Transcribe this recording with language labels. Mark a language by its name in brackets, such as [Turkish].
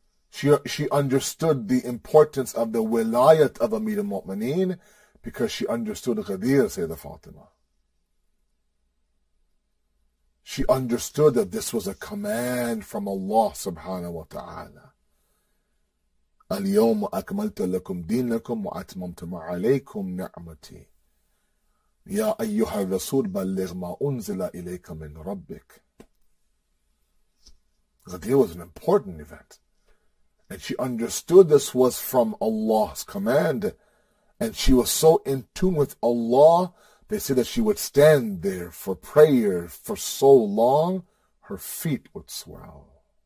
[English] She understood the importance of the wilayat of Amir al-Mu'mineen because she understood Ghadir, Sayyidah Fatima. She understood that this was a command from Allah subhanahu wa ta'ala. [Arabic] اليوم أكملت لكم دينكم وأتممت عليكم نعمتي يا أيها الرسول بلغ ما أنزل إليك من ربك. [English] Ghadir was an important event, and she understood this was from Allah's command, and she was so in tune with Allah, they said that she would stand there for prayer for so long, her feet would swell.